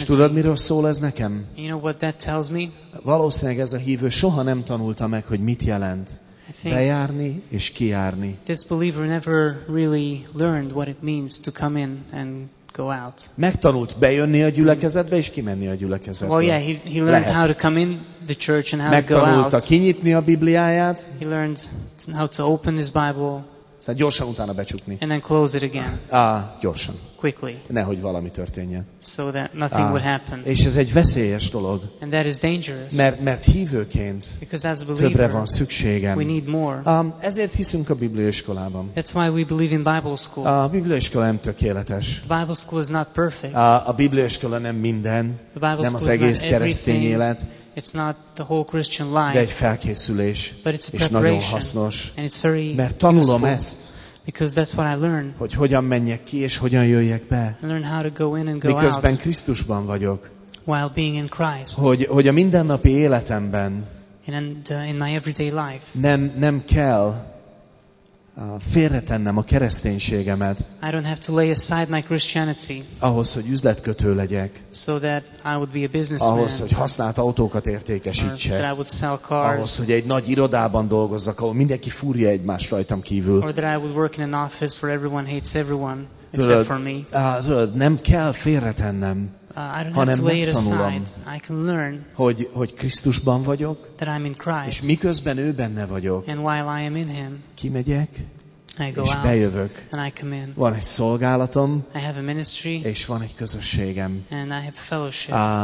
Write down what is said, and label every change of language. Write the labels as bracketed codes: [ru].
[hu] És tudod, miről szól ez nekem? [en] You know what that tells me? [hu] Valószínűleg ez a hívő soha nem tanulta meg, hogy mit jelent bejárni és kijárni. [en] This believer never really learned what it means to come in and go out. [hu] Megtanult bejönni a gyülekezetbe és kimenni a gyülekezetbe. [en] Well, yeah, he learned how to come in the church and how to go out. [hu] Megtanulta kinyitni a Bibliáját. [en] He learned how to open his Bible, [hu] Szóval gyorsan utána becsukni. [en] And then close it again. [hu] Gyorsan. [en] Quickly. [hu] Nehogy valami történjen. [en] So that nothing would happen. [hu] És ez egy veszélyes dolog. [en] And that is dangerous. [hu] Mert hívőként többre van szükségem. [en] We need more. [hu] Ezért hiszünk a Biblióiskolában. [en] That's why we believe in Bible school. [hu] A Biblióiskola nem tökéletes. [en] The Bible school is not perfect. [hu] A Biblióiskola nem minden. [en] The Bible [hu] nem az egész keresztény élet. [en] It's not the whole Christian life. [hu] De egy felkészülés, [en] but it's a [hu] és nagyon hasznos. [en] And it's very [hu] mert tanulom [en] useful. [hu] Ezt. [en] Because that's what I learn. [hu] Hogy hogyan menjek ki és hogyan jöjjek be. [en] I learn how to go in and go [hu] miközben [en] out. [hu] Krisztusban vagyok. [en] While being in Christ. [hu] Hogy a mindennapi életemben. [en] And in my everyday life. [hu] Nem kell félretennem a kereszténységemet. [en] I don't have to lay aside my Christianity. [hu] Ahhoz, hogy üzletkötő legyek. [en] So that I would be a businessman. [hu] Ahhoz, hogy használt autókat értékesítsek. [en] That I would sell cars. [hu] Ahhoz, hogy egy nagy irodában dolgozzak, ahol mindenki fúrja egymást rajtam kívül. [en] Or that I would work in an office where everyone hates everyone except for me. [hu] Nem kell félretennem. Hanem megtanulom, [en] I can learn, [hu] hogy Krisztusban vagyok, [en] that I'm in Christ, [hu] és miközben ő benne vagyok, [en] and while I am in him, [hu] kimegyek, [en] I go [hu] és [en] out, [hu] bejövök. [en] And I come in. [hu] Van egy szolgálatom, [en] I have a ministry, [hu] és van egy közösségem. [en] And I have fellowship.